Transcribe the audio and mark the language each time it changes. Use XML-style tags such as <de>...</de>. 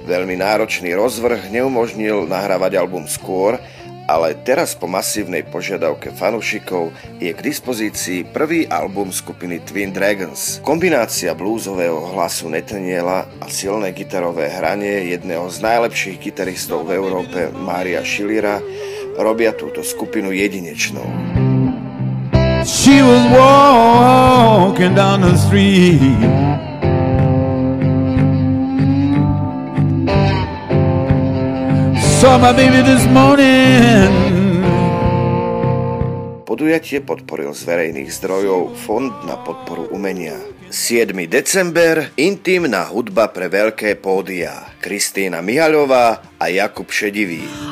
<sk>Veľmi náročný rozvrh neumožnil nahrávať album skôr, ale teraz po masívnej požiadavke fanúšikov je k dispozícii prvý album skupiny Twin Dragons. Kombinácia bluesového hlasu Nathaniela a silné gitarové hranie jedného z najlepších gitaristov v Európe, Maria Schillera, robia túto skupinu jedinečnou.</sk> <en>She was walking down the street. Saw my baby this morning.</en> <sk>Podujatie podporil z verejných zdrojov Fond na podporu umenia. 7. december, intimná hudba pre veľké pódia. Kristýna Mihaľová a Jakub Šedivý.</sk>